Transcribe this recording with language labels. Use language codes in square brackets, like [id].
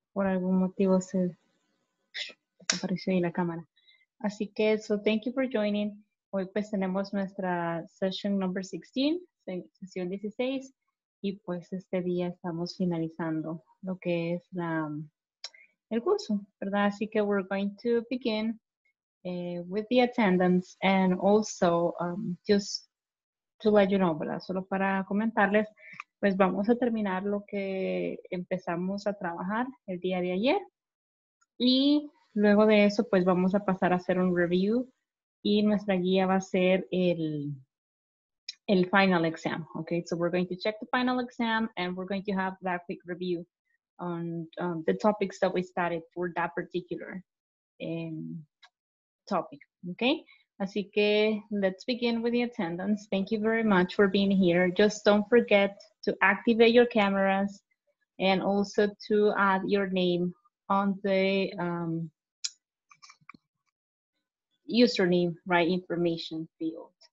[es] Por algún motivo se desapareció ahí la cámara. Así que, [en] so thank you for joining. [es] Hoy pues tenemos nuestra [en] session number 16, [es] sesión 16. Y pues este día estamos finalizando lo que es la... El curso, ¿verdad? Así que [en] we're going to begin with the attendance and also just to let you know, ¿verdad? [es] Solo para comentarles, pues vamos a terminar lo que empezamos a trabajar el día de ayer. Y luego de eso, pues vamos a pasar a hacer un review y nuestra guía va a ser el final exam, okay? [en] So we're going to check the final exam and we're going to have that quick review on the topics that we started for that particular topic, okay? [es] Así que [en] let's begin with the attendance. Thank you very much for being here. Just don't forget to activate your cameras and also to add your name on the username, right, information field.